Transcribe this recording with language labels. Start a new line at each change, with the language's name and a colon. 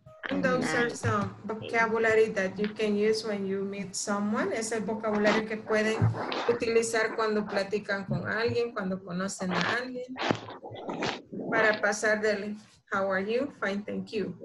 English: And those are some vocabulary that you can use when you meet someone.
Spanish: Es el vocabulario que pueden utilizar cuando platican con alguien, cuando conocen a alguien. Para pasar del
English: how are you, fine, thank you.